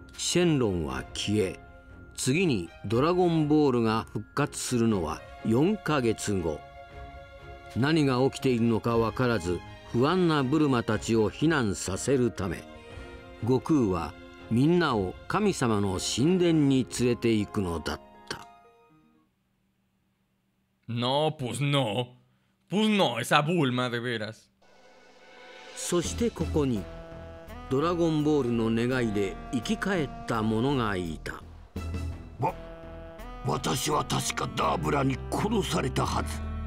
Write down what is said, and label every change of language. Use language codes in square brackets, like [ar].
[ja] シェンロンは消え、次にドラゴンボールが復活するのは4ヶ月後。何が起きているのか分からず不安なブルマたちを避難させるため、悟空はみんなを神様の神殿に連れて行くのだった。 [es] No, pues no. Pues no, esa Bulma de veras. [ja] そしてここにドラゴンボールの願いで生き返った者がいた。私は確かダーブラに殺されたはず。